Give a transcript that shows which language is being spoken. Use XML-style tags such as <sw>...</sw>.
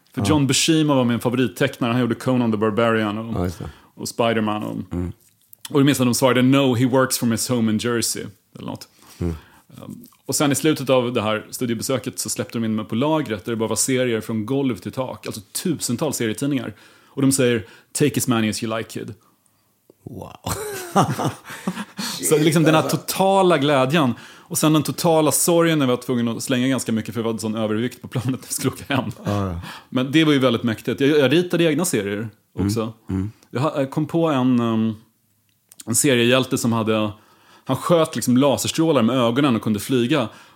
<sv>För John Buscema var min favorittecknare. Han gjorde Conan the Barbarian och Spider-Man. Och det minns att de svarade,</sv> <en>no, he works from his home in Jersey.</en> <sv>Eller något. Och sen i slutet av det här studiebesöket så släppte de in mig på lagret, där det bara var serier från golv till tak. Alltså tusentals serietidningar. Och de säger,</sv> <en>take as many as you like, kid. Wow.</en> <sv>Så liksom den här totala glädjen. Och sen den totala sorgen när vi var tvungna att slänga ganska mycket, för vi hade sån övervikt på planet när vi skulle åka hem. Men det var ju väldigt mäktigt. Jag ritade egna serier också. Jag kom på en seriehjälte som hade, han sköt liksom laserstrålar med ögonen och kunde flyga.</sv>